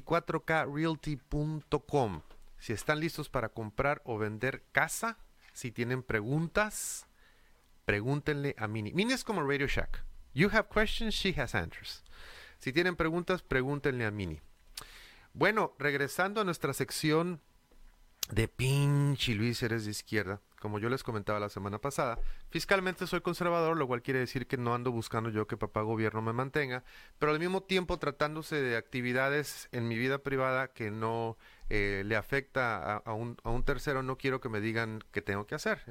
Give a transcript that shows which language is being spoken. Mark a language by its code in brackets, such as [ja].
[es] www.24krealty.com. Si están listos para comprar o vender casa, si tienen preguntas, pregúntenle a Mini. Mini es como Radio Shack. [en] You have questions, she has answers. [es] Si tienen preguntas, pregúntenle a Mini. Bueno, regresando a nuestra sección de pinche Luis, eres de izquierda. Como yo les comentaba la semana pasada, fiscalmente soy conservador, lo cual quiere decir que no ando buscando yo que papá gobierno me mantenga, pero al mismo tiempo tratándose de actividades en mi vida privada que no le afecta a un tercero, no quiero que me digan qué tengo que hacer.